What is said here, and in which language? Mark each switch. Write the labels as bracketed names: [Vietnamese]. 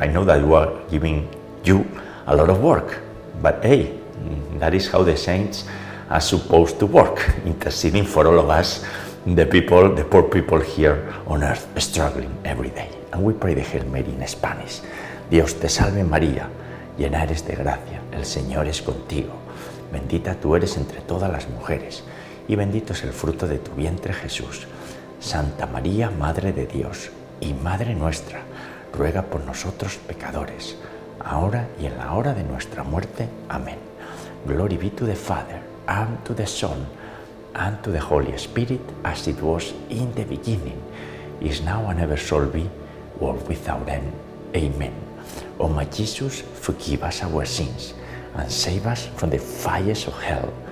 [English] I know that we are giving you a lot of work, but hey, that is how the saints are supposed to work, interceding for all of us, the people, the poor people here on earth, struggling every day. And we pray the Hail Mary in Spanish. [Spanish] Dios te salve María, llena eres de gracia, el Señor es contigo. Bendita tú eres entre todas las mujeres, y bendito es el fruto de tu vientre Jesús. Santa María, Madre de Dios, y Madre nuestra, ruega por nosotros pecadores, ahora y en la hora de nuestra muerte. Amén. [English] Glory be to the Father, and to the Son, and to the Holy Spirit, as it was in the beginning, is now and ever shall be, world without end. Amen. O my Jesus, forgive us our sins, and save us from the fires of hell.